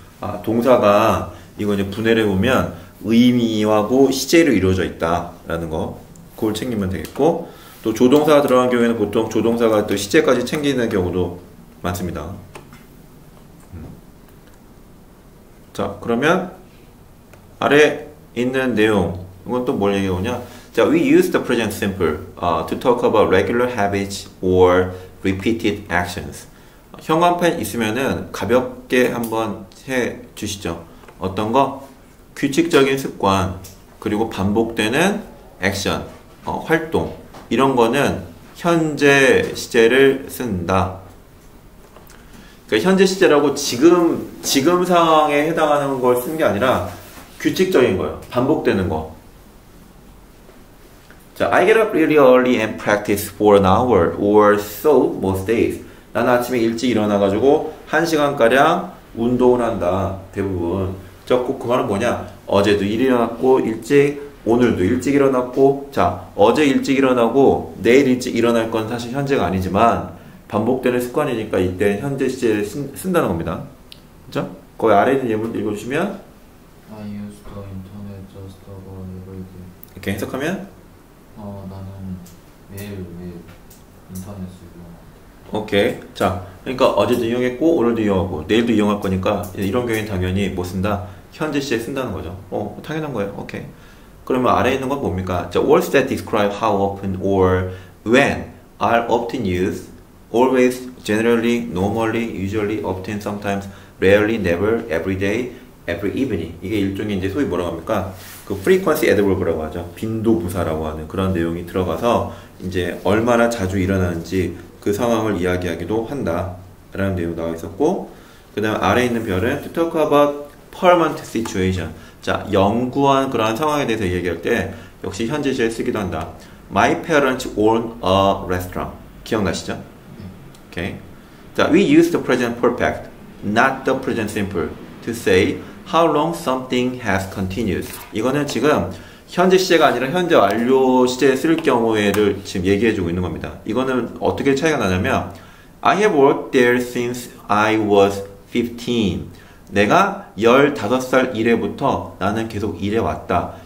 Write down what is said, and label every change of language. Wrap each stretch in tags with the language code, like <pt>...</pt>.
<ko>아, 동사가 이거 이제 분해를 보면 의미하고 시제로 이루어져 있다라는 거. 그걸 챙기면 되겠고, 또 조동사가 들어간 경우에는 보통 조동사가 또 시제까지 챙기는 경우도 많습니다. 자, 그러면 아래 있는 내용, 이건 또뭘 얘기하냐?</ko> <en>자, we use the present simple to talk about regular habits or repeated actions.</en> <ko>형광펜 있으면은 가볍게 한번 해 주시죠. 어떤 거? 규칙적인 습관, 그리고 반복되는 액션. 활동 이런 거는 현재 시제를 쓴다. 그러니까 현재 시제라고 지금 상황에 해당하는 걸쓴게 아니라 규칙적인 거예요. 반복되는 거.</ko> <en>자, I get up really early and practice for an hour or so most days.</en> <ko>나는 아침에 일찍 일어나 가지고 1시간가량 운동을 한다. 대부분. 자, 그 말은 뭐냐? 어제도 일어났고 일찍 오늘도 일찍 일어났고, 자, 어제 일찍 일어나고, 내일 일찍 일어날 건 사실 현재가 아니지만, 반복되는 습관이니까 이때 현재 시제를 쓴다는 겁니다. 그쵸? 거기 아래 있는 예문도 읽어주시면,</ko> <en>I use the internet just about every day.</en> <ko>이렇게 해석하면, 나는 매일매일 인터넷 쓰고. 오케이. 자, 그러니까 어제도 이용했고, 오늘도 이용하고, 내일도 이용할 거니까, 이런 경우에는 당연히 뭐 쓴다? 현재 시제 쓴다는 거죠. 당연한 거예요. 오케이. 그러면 아래에 있는 건 뭡니까?</ko> <en>자, words that describe how often or when are often used, always, generally, normally, usually, often, sometimes, rarely, never, every day, every evening.</en> <ko>이게 일종의 이제 소위 뭐라고 합니까? 그 frequency adverb라고 하죠. 빈도 부사라고 하는 그런 내용이 들어가서 이제 얼마나 자주 일어나는지 그 상황을 이야기하기도 한다라는 내용이 나와 있었고, 그다음 아래에 있는 별은</ko> <en>to talk about permanent situation.</en> <ko>자, 영구한 그러한 상황에 대해서 얘기할 때 역시 현재 시제 쓰기도 한다.</ko> <en>My parents own a restaurant.</en> <ko>기억나시죠? 오케이.</ko> <en>자, we use the present perfect, not the present simple, to say how long something has continued.</en> <ko>이거는 지금 현재 시제가 아니라 현재 완료 시제 쓸 경우에를 지금 얘기해주고 있는 겁니다. 이거는 어떻게 차이가 나냐면,</ko> <en>I have worked there since I was 15.</en> <ko>내가 15살 이래부터 나는 계속 일해왔다.</ko>